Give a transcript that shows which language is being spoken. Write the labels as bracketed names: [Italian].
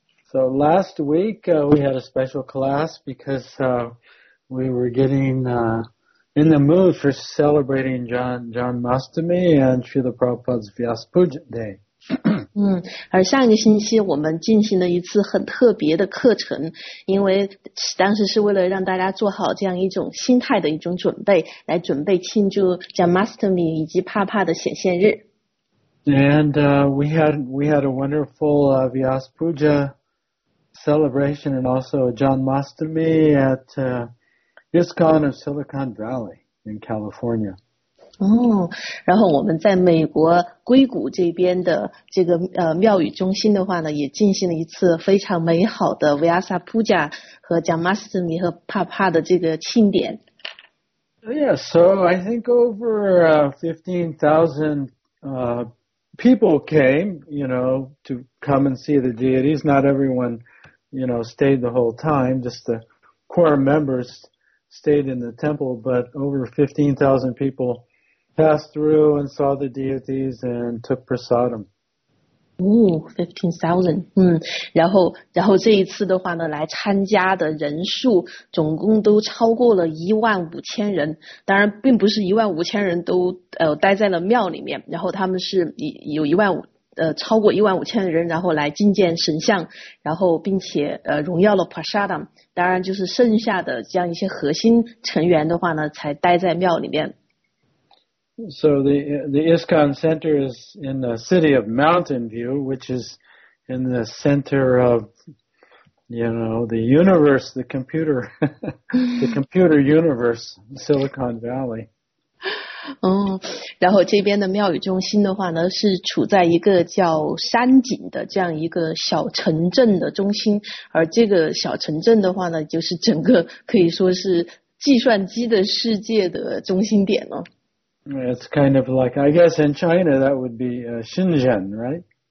[English] So last week, we had a special class because, we were getting, in the mood for celebrating John Mastami and Srila Prabhupada's Vyaspuja Day. [Chinese] 而上一个星期我们进行了一次很特别的课程，因为当时是为了让大家做好这样一种心态的一种准备，来准备庆祝 Jamastami 以及帕帕的显现日。 [English] And we had a wonderful Vyas Puja celebration and also Jamastami at ISKCON of Silicon Valley in California. [Chinese] 然后我们在美国硅谷这边的这个庙宇中心的话呢，也进行了一次非常美好的 Vyasa Puja 和 Jamastami 和 Papa 的这个庆典。 [English] Yeah, so I think over 15,000 people came, you know, to come and see the deities. Not everyone, you know, stayed the whole time, just the core members stayed in the temple, but over 15,000 peoplepassed through and saw the deities and took prasadam. Ooh, 15,000. [Chinese] 然后这一次的话呢，来参加的人数总共都超过了15,000人。当然，并不是15,000人都待在了庙里面，然后他们是有超过15,000人，然后来觐见神像，然后并且荣耀了 prasadam。当然，就是剩下的这样一些核心成员的话呢，才待在庙里面。 So the ISKCON Center is in the city of Mountain View, which is in the center of, you know, the universe, the computer, the computer universe, Silicon Valley. 然后这边的庙宇中心的话呢，是处在一个叫山景的这样一个小城镇的中心，而这个小城镇的话呢，就是整个可以说是计算机的世界的中心点了。 [English] It's kind of like, I guess in China, that would be Shenzhen, right?